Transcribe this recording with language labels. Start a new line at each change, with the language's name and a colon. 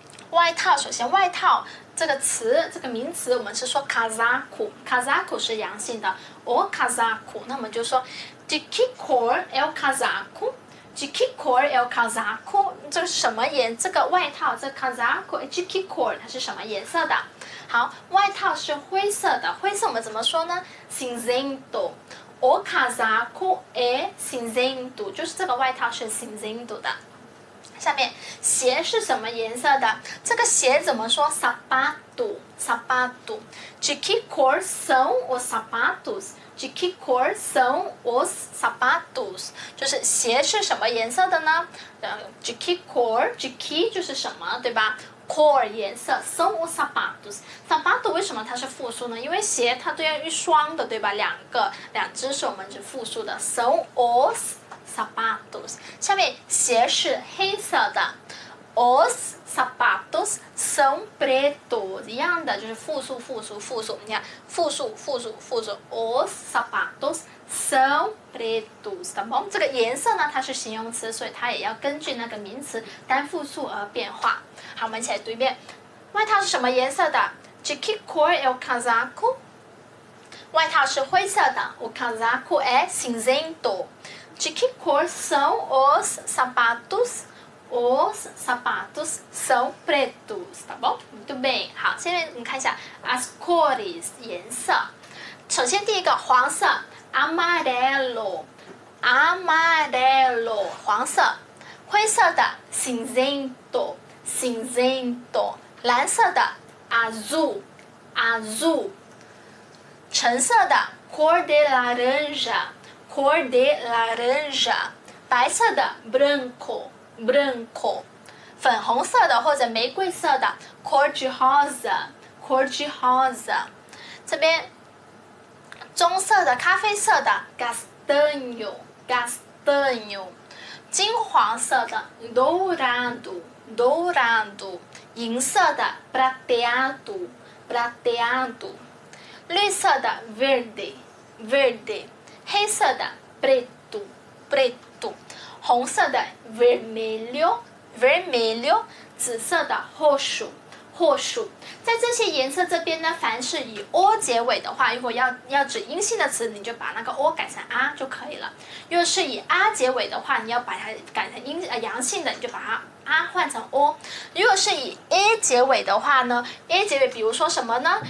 Chinese: 外套，首先外套这个词，这个名词，我们是说 kazaku， kazaku 是阳性的 o kazaku， 那我们就说
Portuguese: de que cor é o kazaku，
Chinese: de que cor é o kazaku， 这是什么颜色？这个外套，这 kazaku
Portuguese: de que cor
Chinese: 它是什么颜色的？好，外套是灰色的，灰色我们怎么说呢？ cinzento，
Portuguese: o casaco é cinzento，
Chinese: 就是这个外套是 cinzento 的。下面鞋是什么颜色的？这个鞋怎么说？
Portuguese: sapato， sapato。 De que cor são os sapatos？ De que cor são os sapatos？
Chinese: 就是鞋是什么颜色的呢？
Portuguese: De que cor？
Chinese: De que 就是什么，对吧？
Portuguese: cor 颜色 são os sapatos。
Chinese: sapato 为什么它是复数呢？因为鞋它都要一双的，对吧？两个，两只是我们是复数的
Portuguese: são os sapatos。
Chinese: 下面鞋是黑色的
Portuguese: os sapatos são pretos，
Chinese: 一样的就是复数复数复数，你看复数复数复数 os sapatos são pretos。这个颜色呢，它是形容词，所以它也要根据那个名词单复数而变化。好，我们一起来读一遍。外套是什么颜色的？
Portuguese: De que cor é o casaco？
Chinese: 外套是灰色的，
Portuguese: o casaco é cinzento。 De que cor são os sapatos？ Os sapatos são pretos。 tá bom? Muito bem。
Chinese: 好，现在我们看一下 as cores 颜色。首先第一个黄色 amarelo， amarelo 黄色。灰色的 cinzento，cinzento， 蓝色的 azul， azul， 橙色的 cor de laranja， cor de laranja， 白色的 branco， branco， 粉红色的或者玫瑰色的 cor de rosa， cor de rosa， 这边棕色的咖啡色的 castanho， castanho， 金黄色的 douradoDourado， 银色的 prateado， prateado， 绿色的 verde， verde， 黑色的 preto， preto， 红色的 vermelho， vermelho， 紫色的 roxo， roxo。在这些颜色这边呢，凡是以 o 结尾的话，如果 要指阴性的词，你就把那个 o 改成 a 就可以了。若是以 a 结尾的话，你要把它改成阳性的，你就把它啊换成 o。如果是以 a 结尾的话呢， a 结尾比如说什么呢？